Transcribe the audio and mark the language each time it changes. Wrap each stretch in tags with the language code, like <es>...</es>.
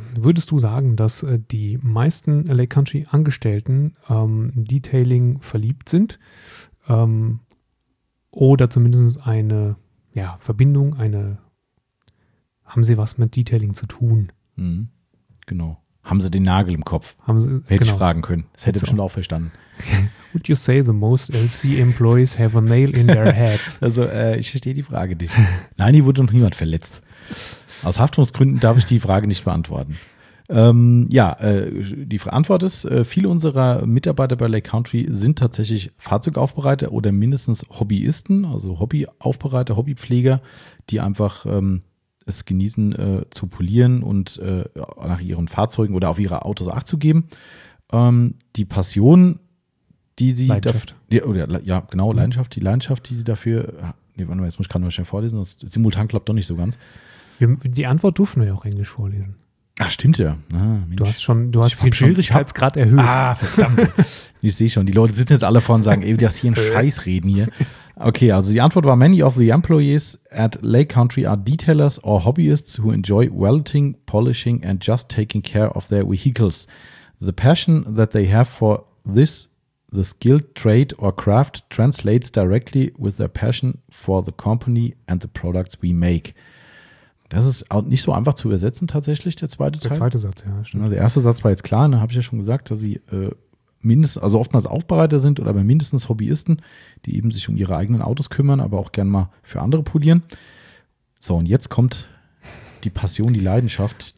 <de>Würdest du sagen, dass die meisten Lake Country Angestellten Detailing verliebt sind oder zumindest eine Verbindung, haben sie was mit Detailing zu tun? Mhm. Genau. Haben sie den Nagel im Kopf? Hätte ich fragen können. Das hätte ich schon auch verstanden.</de> <en>Would you say the most LC employees have a nail in their heads?</en> <de>Also, ich verstehe die Frage nicht. Nein, hier wurde noch niemand verletzt. Aus Haftungsgründen darf ich die Frage nicht beantworten. Die Antwort ist, viele unserer Mitarbeiter bei Lake Country sind tatsächlich Fahrzeugaufbereiter oder mindestens Hobbyisten, also Hobbyaufbereiter, Hobbypfleger, die einfach es genießen, zu polieren und nach ihren Fahrzeugen oder auf ihre Autos Acht zu geben. Die Passion, die sie Leidenschaft. Leidenschaft. Die Leidenschaft, die sie dafür. Warte mal, jetzt muss ich gerade mal schnell vorlesen. Das simultan klappt doch nicht so ganz. Die Antwort dürfen wir ja auch Englisch vorlesen. Ach, stimmt ja. Ah, du hast schon, du hast den Schwierigkeitsgrad erhöht. Ah, verdammt. Ich sehe schon, die Leute sitzen jetzt alle vor und sagen, ey, du hast hier einen Scheiß reden hier. Okay, also die Antwort war,</de> <en>many of the employees at Lake Country are detailers or hobbyists who enjoy welding, polishing and just taking care of their vehicles. The passion that they have for this, the skilled trade or craft, translates directly with their passion for the company and the products we make.</en> <de>Das ist auch nicht so einfach zu übersetzen tatsächlich, der zweite Teil. Der zweite Satz, ja, stimmt. Na, der erste Satz war jetzt klar, da habe ich ja schon gesagt, dass sie also oftmals Aufbereiter sind oder aber mindestens Hobbyisten, die eben sich um ihre eigenen Autos kümmern, aber auch gern mal für andere polieren. So, und jetzt kommt die Passion, die Leidenschaft.</de>